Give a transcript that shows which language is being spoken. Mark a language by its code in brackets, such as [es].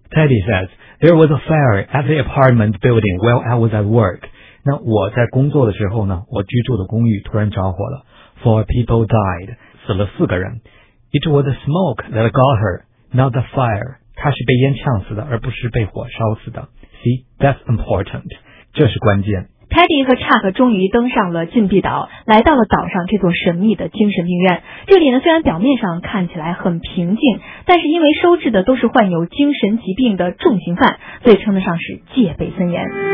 [en] Teddy says There was a fire at the apartment building while I was at work。 [zh] 那我在工作的时候呢，我居住的公寓突然着火了。 [en] Four people died，死了四个人。 It was the smoke that got her， not the fire。 [zh] 他是被烟呛死的，而不是被火烧死的。 [en] See, that's important. 这是关键。 [zh] Teddy 和 Chuck 终于登上了禁闭岛，来到了岛上这座神秘的精神病院。这里呢，虽然表面上看起来很平静，但是因为收治的都是患有精神疾病的重刑犯，所以称得上是戒备森严。